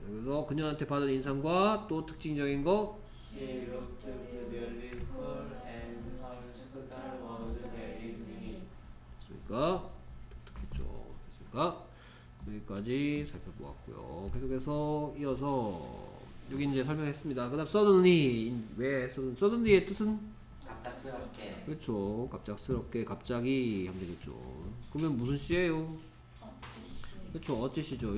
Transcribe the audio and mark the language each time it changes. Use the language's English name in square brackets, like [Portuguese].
[Korean] 그래서 그녀한테 받은 인상과 또 특징적인 거 [English] She looked really cool and her scooter was very unique. [Korean] 됐습니까? 독특했죠. 됐습니까? 여기까지 살펴보았고요. 계속해서 이어서 여기 이제 설명했습니다. 그 다음 suddenly. 왜 suddenly의 뜻은? 갑작스럽게. 그렇죠. 갑작스럽게 갑자기 하면 되겠죠. 그러면 무슨 시예요? 그렇죠. 어찌시죠.